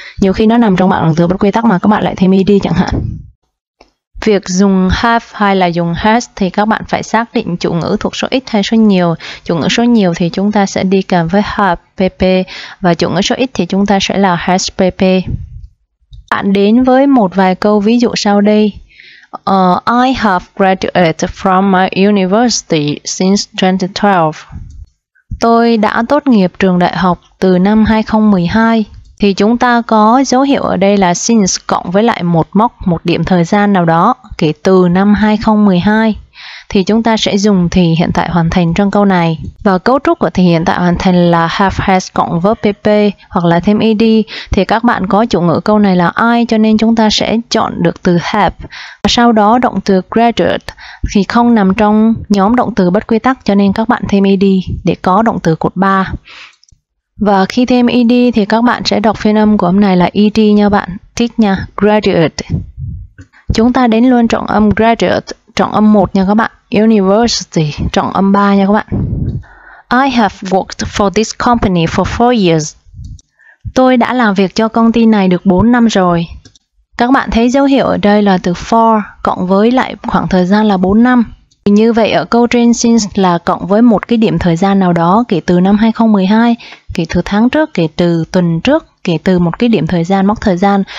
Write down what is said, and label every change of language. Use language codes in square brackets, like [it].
[vi] Nhiều khi nó nằm trong bảng động từ bất quy tắc mà các bạn lại thêm ed chẳng hạn. Việc dùng have hay là dùng has thì các bạn phải xác định chủ ngữ thuộc số ít hay số nhiều. Chủ ngữ số nhiều thì chúng ta sẽ đi kèm với have PP và chủ ngữ số ít thì chúng ta sẽ là has PP. Bạn đến với một vài câu ví dụ sau đây. [en] I have graduated from my university since 2012. [vi] Tôi đã tốt nghiệp trường đại học từ năm 2012. Thì chúng ta có dấu hiệu ở đây là since cộng với lại một mốc, một điểm thời gian nào đó kể từ năm 2012. Thì chúng ta sẽ dùng thì hiện tại hoàn thành trong câu này. Và cấu trúc của thì hiện tại hoàn thành là have, has cộng verb PP hoặc là thêm ED. Thì các bạn có chủ ngữ câu này là I, cho nên chúng ta sẽ chọn được từ have. Và sau đó động từ graduate thì không nằm trong nhóm động từ bất quy tắc, cho nên các bạn thêm ED để có động từ cột 3. Và khi thêm ed thì các bạn sẽ đọc phiên âm của âm này là ed nha bạn, thích nha, graduate. Chúng ta đến luôn trọng âm graduate, trọng âm 1 nha các bạn, university, trọng âm 3 nha các bạn. [en] I have worked for this company for 4 years. [vi] Tôi đã làm việc cho công ty này được 4 năm rồi. Các bạn thấy dấu hiệu ở đây là từ for cộng với lại khoảng thời gian là 4 năm. Như vậy ở câu trên since là cộng với một cái điểm thời gian nào đó kể từ năm 2012, kể từ tháng trước, kể từ tuần trước, kể từ một cái điểm thời gian, mốc thời gian.